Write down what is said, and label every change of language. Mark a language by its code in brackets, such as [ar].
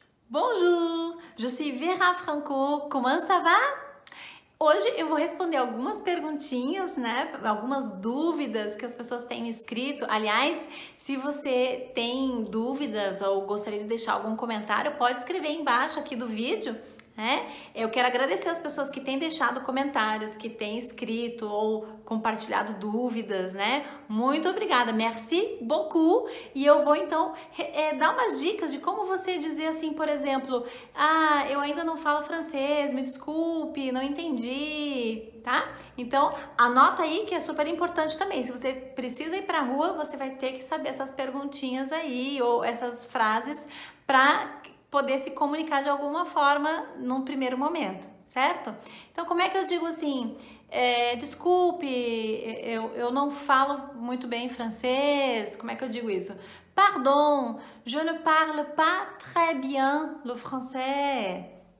[fr] Bonjour, je suis Vera Franco, comment ça va? [pt] Hoje eu vou responder algumas perguntinhas, né? Algumas dúvidas que as pessoas têm me escrito. Aliás, se você tem dúvidas ou gostaria de deixar algum comentário, pode escrever embaixo aqui do vídeo, né? Eu quero agradecer as pessoas que têm deixado comentários, que têm escrito ou compartilhado dúvidas, né? Muito obrigada, [fr] merci beaucoup! [pt] E eu vou então dar umas dicas de como você dizer assim, por exemplo, ah, eu ainda não falo francês, me desculpe, não entendi, tá? Então, anota aí que é super importante também. Se você precisa ir para a rua, você vai ter que saber essas perguntinhas aí ou essas frases para poder se comunicar de alguma forma num primeiro momento, certo? Então, como é que eu digo assim, desculpe, eu não falo muito bem francês, como é que eu digo isso? [fr] Pardon, je ne parle pas très bien le français.